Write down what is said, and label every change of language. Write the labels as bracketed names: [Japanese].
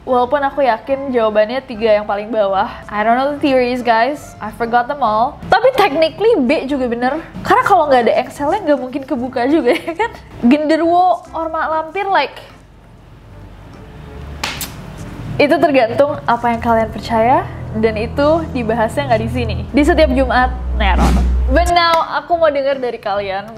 [Indonesian] Walaupun aku yakin jawabannya 3 yang paling bawah. [English] I don't know the theories guys, I forgot them all. [Indonesian] Tapi technically B juga bener. Karena kalau gak ada engselnya gak mungkin kebuka juga ya kan. Genderwo or Mak Lampir, like, itu tergantung apa yang kalian percaya. Dan itu dibahasnya nggak di sini. Di setiap Jumat, neror. [English] But now, [Indonesian] aku mau dengar dari kalian.